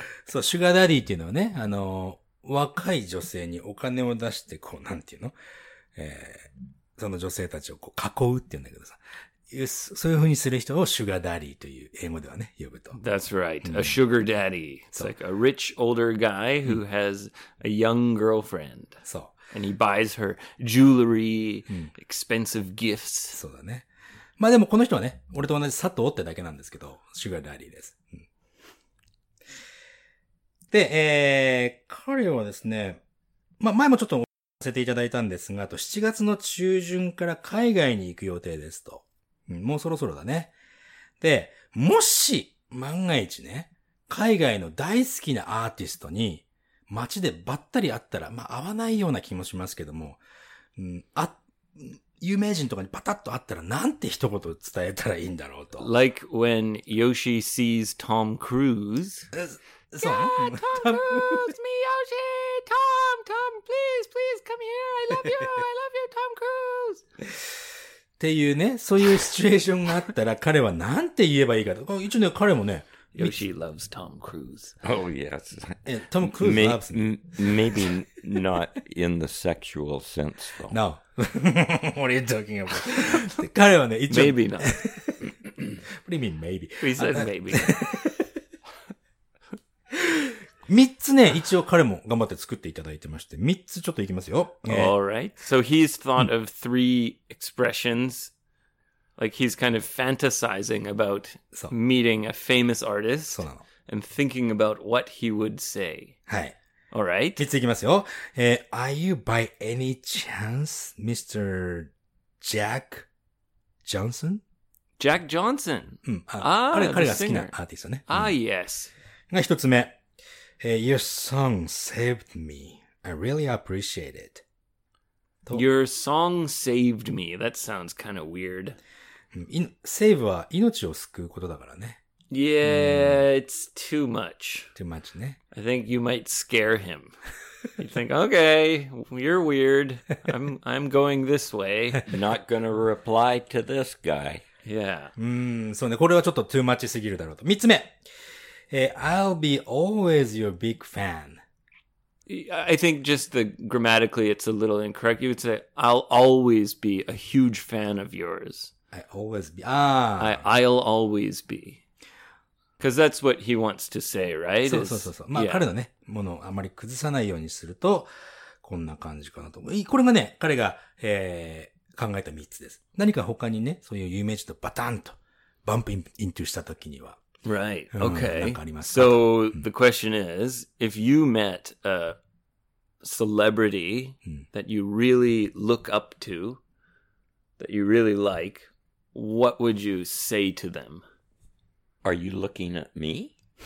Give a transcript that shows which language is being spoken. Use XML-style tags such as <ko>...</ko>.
<ja>そう、シュガーダディっていうのはね、若い女性にお金を出して、こう、なんていうの、その女性たちをこう囲うっていうんだけどさ。そういう風にする人をシュガーダディという英語ではね、呼ぶと。</ja> <en>That's right.、うん、a sugar daddy. It's like a rich older guy who has a young girlfriend.</en> <ja>そう。</ja> <en>And he buys her jewelry,、うん、expensive gifts.</en> <ja>そうだね。まあでもこの人はね、俺と同じ佐藤ってだけなんですけど、シュガーダディです。うん、で、彼はですね、まあ前もちょっとさせていただいたんですが、あと7月の中旬から海外に行く予定ですと、うん、もうそろそろだね。で、もし万が一ね、海外の大好きなアーティストに街でばったり会ったら、まあ会わないような気もしますけども、うん、有名人とかにパタッと会ったらなんて一言伝えたらいいんだろうと。</ja> <en>Like when Yoshi sees Tom Cruise. Yeah, Tom Cruise, me, Yoshi, Tom, Tom, please, please, come here, I love you, Tom Cruise.</en> <ja>っていうね、そういうシチュエーションがあったら彼はなんて言えばいいかと。一応ね、彼もね。</ja> <en>Yoshi loves Tom Cruise. Oh, yes. Tom Cruise loves me. Maybe not in the sexual sense, though. No. What are you talking about?</en> <ja>彼はね、一応。</ja> <en>Maybe not. What do you mean, maybe? We said maybe.</en> <ja>三つね、一応彼も頑張って作っていただいてまして、三つちょっといきますよ。</ja> <en>Alright. So he's thought of three expressions. Like he's kind of fantasizing about meeting a famous artist.</en> <ja>そうなの。</ja> <en>And thinking about what he would say.</en> <ja>はい。</ja> <en>Alright.</en> <ja>三ついきますよ。</ja> <en>Are you by any chance Mr. Jack Johnson? Jack Johnson?</en> <ja>うん。あ、彼が好きなアーティストね。</ja> <en>Ah, yes.</en> <ja>が一つ目。</ja> <en>Your song saved me. I really appreciate it. Your song saved me. That sounds kind of weird.</en> <ja>Save は命を救うことだからね。</ja> <en>Yeah, it's too much. Too much ね。 I think you might scare him. You think, okay, you're weird. I'm going this way. Not gonna reply to this guy. Yeah.</en> <ja>そうね。これはちょっと too much すぎるだろうと。三つ目。</ja> <en>I'll be always your big fan. I think just the grammatically it's a little incorrect. You would say, I'll always be a huge fan of yours. I always be. Ah. I'll always be. Because that's what he wants to say, right?</en> <ja>そう。まあ、yeah. 彼のね、ものをあまり崩さないようにすると、こんな感じかなと思う。これがね、彼が、考えた3つです。何か他にね、そういう有名人とバタンとバンプイントゥした時には、</ja> <en>Right. Okay. So the question is, if you met a celebrity that you really look up to, that you really like, what would you say to them? Are you looking at me?</en>